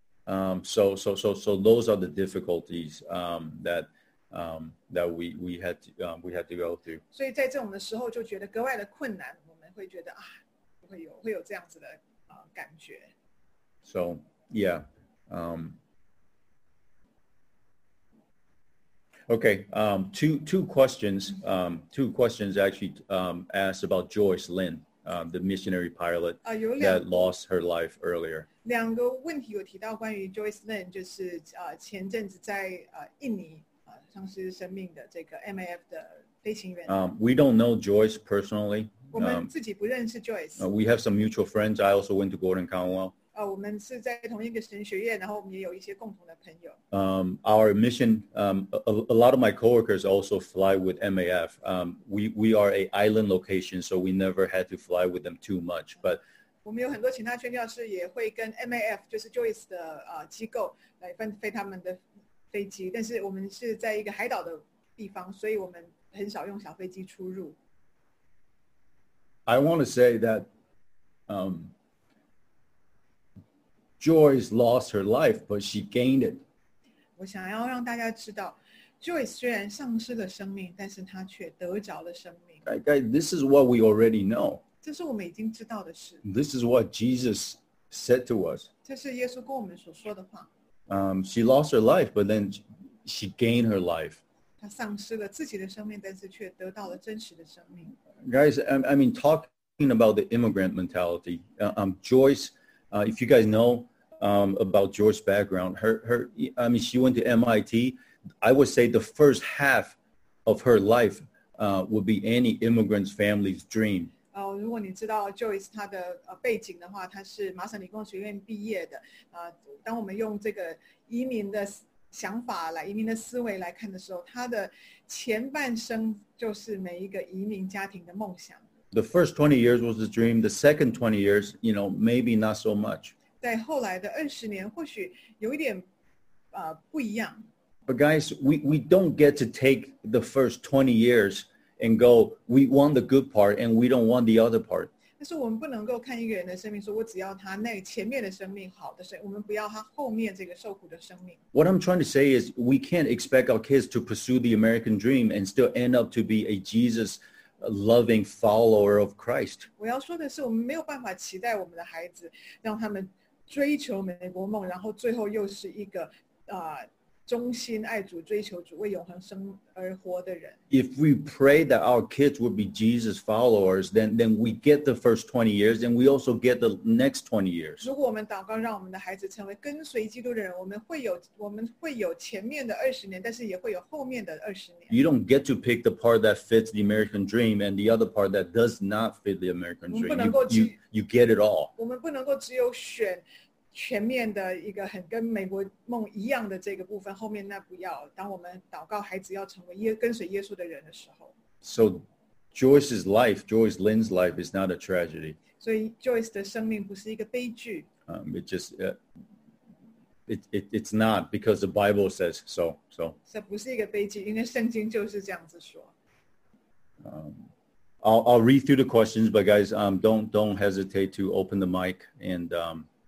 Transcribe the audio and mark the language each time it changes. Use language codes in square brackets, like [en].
[en] So those are the difficulties that we had to go through. [zh] 所以在这种的时候就觉得格外的困难，我们会觉得啊，会有这样子的感觉。 [en] So yeah, okay, two questions actually asked about Joyce Lin, the missionary pilot that lost her life earlier. [zh] 两个问题有提到关于 Joyce Lin, 就是前阵子在印尼丧失生命的这个 MAF 的飞行员。 [en] We don't know Joyce personally. [zh] 我们自己不认识 Joyce. [en] We have some mutual friends. I also went to Gordon Conwell. [zh] 我们是在同一个神学院，然后我们也有一些共同的朋友。 [en] Our mission, a lot of my coworkers also fly with MAF. We are a island location, so we never had to fly with them too much. But [zh] 我们有很多其他宣教士也会跟 MAF, 就是 Joyce 的机构来飞他们的飞机，但是我们是在一个海岛的地方，所以我们很少用小飞机出入。 [en] I want to say that, Joyce lost her life, but she gained it. [zh] 我想要让大家知道 ，Joyce 虽然丧失了生命，但是她却得着了生命。 [en] Guys, this is what we already know. [zh] 这是我们已经知道的事。 [en] This is what Jesus said to us. [zh] 这是耶稣跟我们所说的话。 [en] She lost her life, but then she gained her life. [zh] 她丧失了自己的生命，但是却得到了真实的生命。 [en] Guys, I mean, talking about the immigrant mentality, Joyce. If you guys know about Joyce's background, her, she went to MIT. I would say the first half of her life would be any immigrant's family's dream. [zh] 如果你知道 Joyce 她的背景的话，她是麻省理工学院毕业的。当我们用这个移民的想法来移民的思维来看的时候，她的前半生就是每一个移民家庭的梦想。 [en] The first 20 years was a dream. The second 20 years, you know, maybe not so much. [zh] 在后来的二十年，或许有一点，不一样。 [en] But guys, we don't get to take the first 20 years and go, we want the good part and we don't want the other part. [zh] 但是我们不能够看一个人的生命，说我只要他那前面的生命好的生，我们不要他后面这个受苦的生命。 [en] What I'm trying to say is, we can't expect our kids to pursue the American dream and still end up to be a Jesus. A loving follower of Christ. [zh] 我要说的是，我们没有办法期待我们的孩子让他们追求美国梦，然后最后又是一个忠心爱主追求主为永恒生而活的人。 [en] If we pray that our kids would be Jesus followers, then we get the first 20 years, and we also get the next 20 years. [zh] 如果我们祷告让我们的孩子成为跟随基督的人，我们会有前面的二十年，但是也会有后面的二十年。 [en] You don't get to pick the part that fits the American dream and the other part that does not fit the American dream. You get it all. [zh] 我们不能够只有选全面的一个很跟美国梦一样的这个部分，后面那不要。当我们祷告孩子要成为跟随耶稣的人的时候 [en] ，So Joyce's life, Joyce Lynn's life is not a tragedy. [zh] 所以 Joyce 的生命不是一个悲剧。 [en] It's not because the Bible says so. So [zh] 这不是一个悲剧，因为圣经就是这样子说。 [en] I'll read through the questions, but guys, don't hesitate to open the mic and.